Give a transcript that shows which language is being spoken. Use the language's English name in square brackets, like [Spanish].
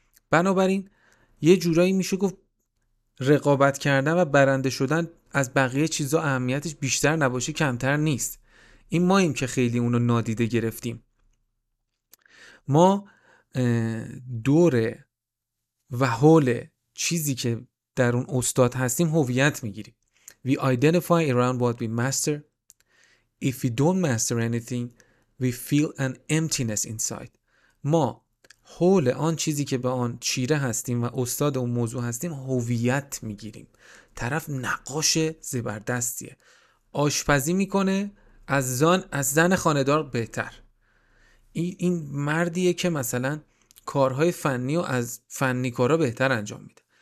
[Persian] بنابراین یه جورایی میشه گفت رقابت کردن و برنده شدن از بقیه چیزا اهمیتش بیشتر نباشه کمتر نیست. این ماییم که خیلی اونو نادیده گرفتیم. ما دوره و حول چیزی که در اون استاد هستیم هویت میگیریم. [English] We identify around what we master. If we don't master anything, we feel an emptiness inside. [Persian] ما حول آن چیزی که به آن چیره هستیم و استاد اون موضوع هستیم هویت میگیریم. طرف نقاش زبردستیه، آشپزی میکنه از زن خانه‌دار بهتر. این مردیه که مثلا کارهای فنی و از فنیکارا بهتر انجام میده.